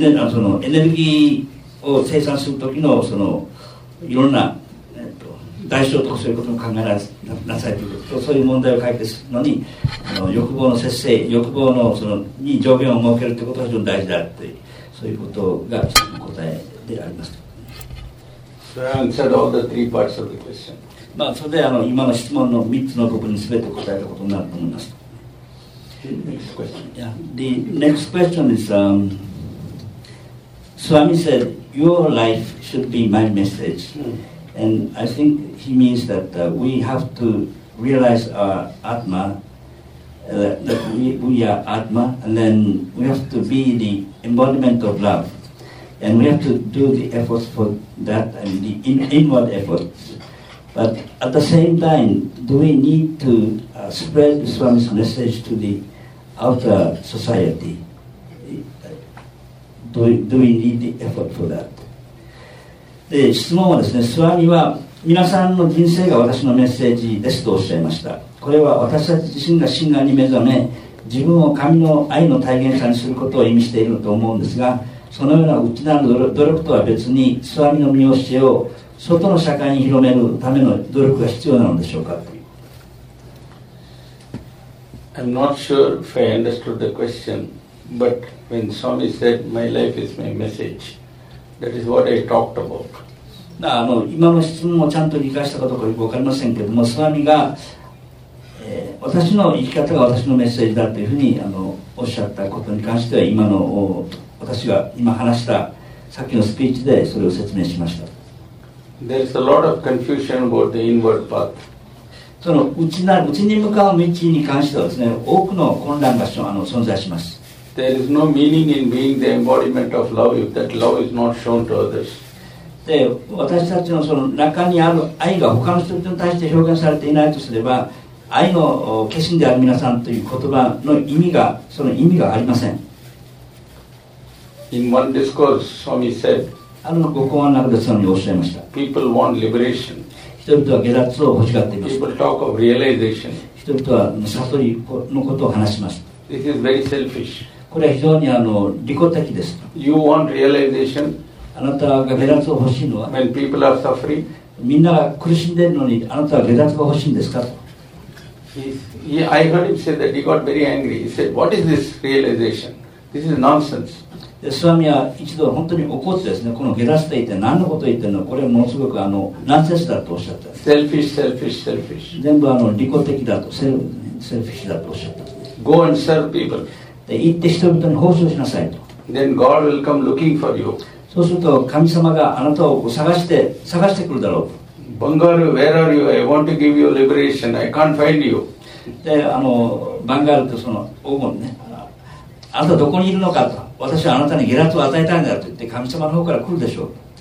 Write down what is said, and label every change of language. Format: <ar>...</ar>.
<ja>そのエネルギーを生産するときの、そのいろんな代償とかそういうことも考えなさいということと、そういう問題を解決するのに、あの欲望の節制、欲望のそのに上限を設けるということが非常に大事だって、そういうことが一つの答えであります。それは</ja> <en>answered all the three parts of the question。</en> <ja>まあ、それであの今の質問の3つの部分に全て答えたことになると思います。</ja> <en>The next question. Yeah. The next question is, Swami said, your life should be my message.、Mm. And I think he means that we have to realize our Atma, that we are Atma, and then we have to be the embodiment of love. And we have to do the efforts for that, and the inward efforts. But at the same time, do we need to spread Swami's message to the outer society? Do we need the effort for that?</en> <ja>で、質問はですね、スワミは皆さんの人生が私のメッセージですとおっしゃいました。これは私たち自身が真理に目覚め自分を神の愛の体現者にすることを意味していると思うんですが、そのような内なる努力とは別にスワミの身教えを外の社会に広めるための努力が必要なのでしょうかという。</ja> <en>I'm not sure if I understood the question, but when Swami said my life is my messageThat is what I talked about.</en> <ja>あの今の質問をちゃんと理解したかどうかよく分かりませんけれども、スワミが、私の生き方が私のメッセージだというふうにあのおっしゃったことに関しては、今の私が今話したさっきのスピーチでそれを説明しました。</ja> <en>There is a lot of confusion about the inward path.</en> <ja>その内に向かう道に関してはですね、多くの混乱が存在します。</ja> <en>There is no meaning in being the embodiment of love if that love is not shown to others.</en> <ja>で、私たちのその中にある愛が他の人々に対して表現されていないとすれば、愛の化身である皆さんという言葉の意味がその意味がありません。</ja> <en>In one discourse, Swami said,</en> <ja>あの御講話の中でそのようにおっしゃいました。</ja> <en>People want liberation.</en> <ja>人々は解脱を欲しがっています。</ja> <en>People talk of realization.</en> <ja>人々は悟りのことを話します。</ja> <en>This is very selfish.</en> <ja>これは非常にあの利己的です。</ja> <en>You want realization?</en> <ja>あなたが解脱を欲しいのは</ja> <en>When people are suffering?</en> <ja>みんなが苦しんでいるのにあなたは解脱が欲しいんですかと。</ja> <en>I heard him say that he got very angry. He said, what is this realization? This is nonsense.</en> <ja>スワミは一度本当に怒ってですね、この解脱って言って何のことを言ってるの、これはものすごくあのナンセンスだとおっしゃった。</ja> <en>Selfish, selfish, selfish.</en> <ja>全部あの利己的だと、selfish だとおっしゃった。</ja> <en>Go and serve people.</en> <ja>で、行って人々に奉仕しなさいと。</ja> <en>Then God will come looking for you.</en> <ja>そうすると神様があなたを探してくるだろうと。</ja> <en>Bangalore, where are you? I want to give you liberation. I can't find you.</en> <ja>で、あのバンガールとその黄金ね、あなたどこにいるのかと。私はあなたに解脱を与えたいんだと言って神様の方から来るでしょう。</ja>